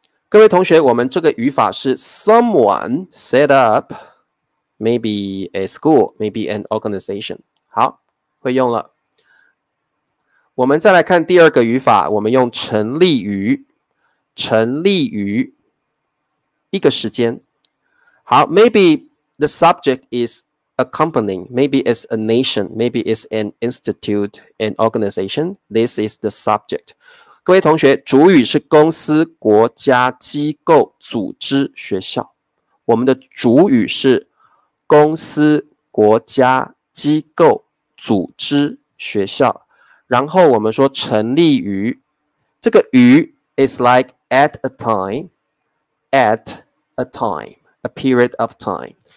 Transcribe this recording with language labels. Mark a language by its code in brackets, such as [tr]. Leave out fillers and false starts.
[zh] 各位同学，我们这个语法是 [en] someone set up maybe a school maybe an organization。 [zh] 好，会用了。我们再来看第二个语法，我们用成立于，成立于一个时间。 [en] 好， maybe the subject is a company, maybe it's a nation, maybe it's an institute, an organization, this is the subject。 [zh] 各位同学，主语是公司、国家、机构、组织、学校。我们的主语是公司、国家、机构、组织、学校。然后我们说成立于，这个于 [en] is like at a time, a period of time。